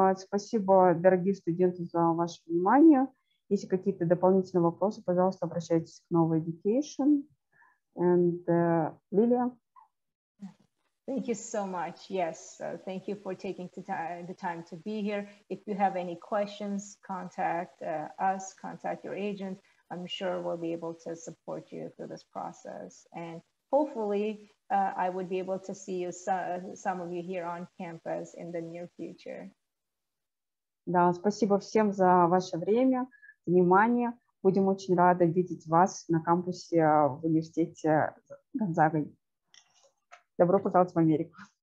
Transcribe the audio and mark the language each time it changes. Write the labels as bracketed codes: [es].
[ru] Спасибо, дорогие студенты, за ваше внимание. Если какие-то дополнительные вопросы, пожалуйста, обращайтесь к Nova Education. [en] And Lilia. Thank you so much. Yes, thank you for taking the time to be here. If you have any questions, contact us, contact your agent. I'm sure we'll be able to support you through this process. And hopefully I would be able to see you, some of you here on campus in the near future. [ru] Да, спасибо всем за ваше время, внимание. Будем очень рады видеть вас на кампусе в университете Гонзага. Добро пожаловать в Америку.